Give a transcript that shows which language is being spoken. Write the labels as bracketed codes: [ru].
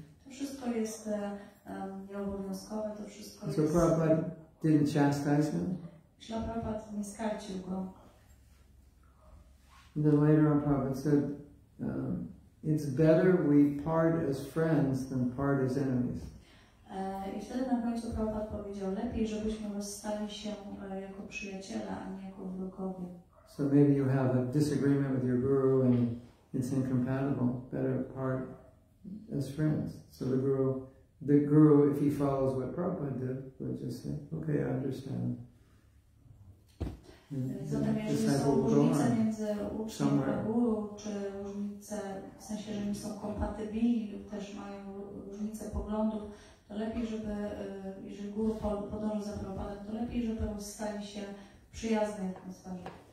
[pl] To wszystko jest nieobowiązkowe, to wszystko jest... [en] So Prabhupada didn't chastise him? [pl] Szła Prabhupada nie skarcił go. [en] And then later on Prabhupada said, it's better we part as friends than part as enemies. [pl] I wtedy na końcu Prabhupada powiedział, lepiej żebyśmy rozstali się jako przyjaciele, a nie jako wrogowie. [en] So maybe you have a disagreement with your guru and it's incompatible. Better part as friends. So the guru, if he follows what Prabhupada did, would just say, okay, I understand. [pl] Zatem jeżeli są różnice między uczniem a guru, czy różnice, w sensie, że nie są kompatybilni lub też mają różnice poglądów, to lepiej, żeby, jeżeli guru podąża za Prabhupadem, to lepiej, żeby on stał się przyjazny atmosferze.